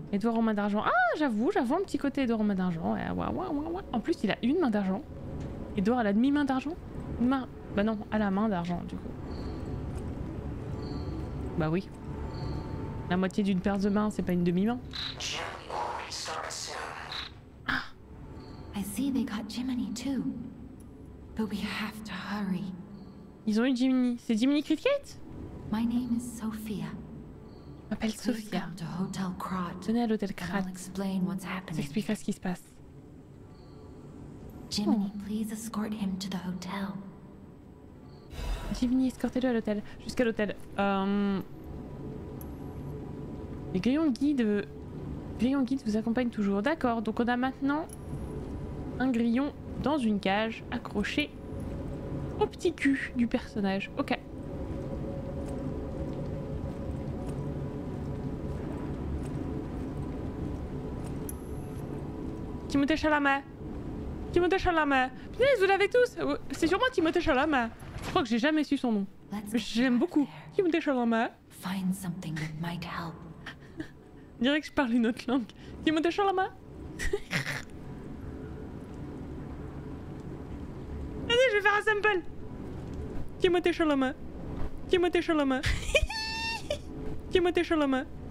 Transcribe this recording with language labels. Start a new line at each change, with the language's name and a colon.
French: Edouard en main d'argent. Ah, j'avoue un petit côté Edouard en main d'argent. Ouais. En plus, il a une main d'argent. Edouard, elle a demi-main d'argent. Une main... Bah non, à la main d'argent, du coup. Bah oui. La moitié d'une paire de mains, c'est pas une demi-main. Ah.
English: I see they got Jiminy too. But we have to hurry.
French: Ils ont eu Jiminy. C'est Jiminy Cricket?
English: My name is Sophia.
French: Je m'appelle Sophia. Venez à l'hôtel Krat. J'expliquerai ce qui se passe.
English: Jiminy, please escort him to the hotel.
French: Jiminy, escortez-le à l'hôtel. Jusqu'à l'hôtel. Les grillons guides vous accompagnent toujours. D'accord, donc on a maintenant un grillon dans une cage accroché au petit cul du personnage. Ok. Timothée Chalamet. Putain, vous l'avez tous. C'est sûrement Timothée Chalamet. Je crois que j'ai jamais su son nom. J'aime beaucoup. Timothée Chalamet.
English: Find something that might help.
French: Je dirais que je parle une autre langue. Timothée Chalamet. Allez, je vais faire un sample. Timothée Chalamet. Timothée Chalamet. Timothée Chalamet.